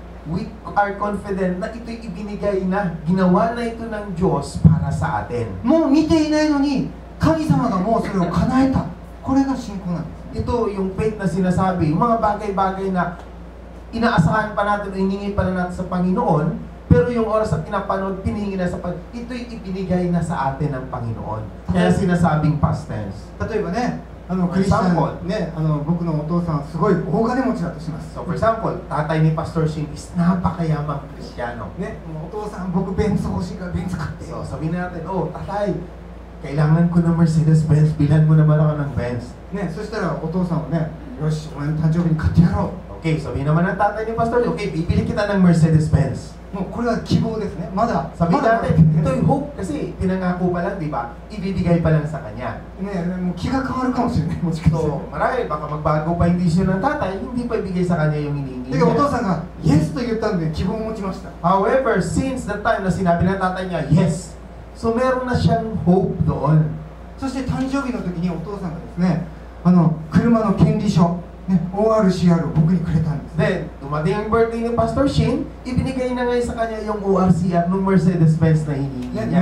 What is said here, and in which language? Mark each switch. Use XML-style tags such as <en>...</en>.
<en>We are confident</en> <tl>na ito'y ibinigay na, ginawa na ito ng Diyos para sa atin.</tl> <ja>もう見ていないのに神様がもうそれを叶えた。これが信仰なんです。</ja> <tl>Ito yung faith na sinasabi, yung mga bagay-bagay na inaasahan pa natin, iningi pa na natin sa Panginoon, pero yung oras at pinapanood, pinihingi na sa Panginoon, ito'y ibinigay na sa atin ng Panginoon. Kaya sinasabing past tense.</tl> <ja>Katulad ba, Christian, ね、僕のお父さんはすごい大金持ちだとします。</ja> <en>So for example,</en> <tl>tatay ni Pastor Shin is napakayamang Kristiyano.</tl> <ja>ね、もうお父さん、僕ベンツ欲しいからベンツ買って。</ja> <tl>So sabihin natin, oh, tatay, kailangan ko ng Mercedes-Benz, bilan mo naman ako ng Benz.</tl> <ja>ね、そしたらお父さんはね、よし、俺の誕生日に買ってやろう。</ja> <tl>Okay, sabihin naman ng tatay ni Pastor Shin, okay, bibili kita ng Mercedes-Benz.</tl> <ja>もうこれは希望ですね。まだ。</ja> <tl>sabihin natin, ito'y hope kasi pinangako pa lang, di ba? Ibibigay pa lang sa kanya.</tl> <ja>ねえ、もう気が変わるかもしれない。もしかして。</ja> <tl>marami, baka magbago pa yung decision ng tatay, hindi pa ibigay sa kanya yung iniingi niya.</tl> <ja>お父さんが yes と言ったんで希望を持ちました。</ja> <en>However, since the time</en> <tl>na sinabi ng tatay niya yes, so meron na siyang hope doon.</tl> <ja>そして誕生日の時にお父さんがですね、車の権利書。ね、ORCR を僕にくれたんです。</ja> <tl>で、dumating ang birthday ni Pastor Shin, ibinigay na ngayon sa kanya yung ORCR ng Mercedes-Benz na iniingi niya.</tl>